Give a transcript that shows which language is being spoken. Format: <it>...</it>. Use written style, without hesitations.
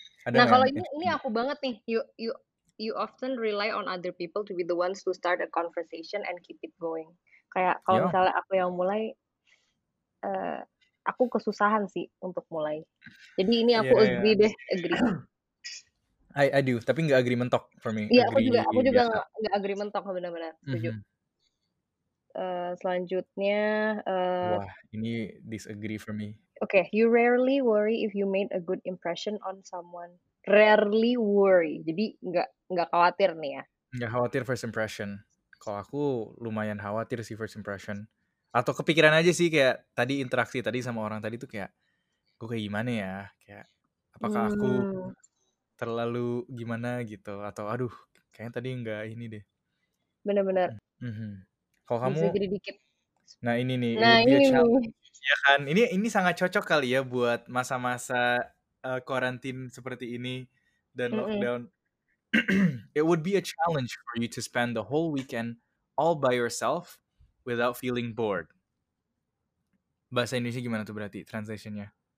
<id>Nah kalau ini aku banget nih.</id> <en>You often rely on other people to be the ones to start a conversation and keep it going.</en> <id>Kayak kalau misalnya aku yang mulai, aku kesusahan sih untuk mulai. Jadi ini aku agree deh, agree.</id> <en>I do,</en> <id>tapi nggak agree mentok for me. Iya, yeah, aku juga nggak agree mentok benar-benar. Setuju. Selanjutnya. Wah, ini disagree for me.</id> <en>Okay, you rarely worry if you made a good impression on someone.</en> <id>Rarely worry. Jadi enggak khawatir nih ya. Enggak khawatir first impression. Kalau aku lumayan khawatir sih first impression. Atau kepikiran aja sih kayak tadi interaksi tadi sama orang tadi tuh kayak gue kayak gimana ya? Kayak apakah aku terlalu gimana gitu atau aduh, kayaknya tadi enggak ini deh. Benar-benar. Kalau kamu bisa jadi dikit. Nah, ini nih. Nah, ini nih. Ya kan, ini sangat cocok kali ya buat masa-masa karantin seperti ini dan lockdown.</id> <en>It would be a challenge for you to spend the whole weekend all by yourself without feeling bored.</en> <id>Bahasa Indonesia gimana tuh berarti translation-nya?</id>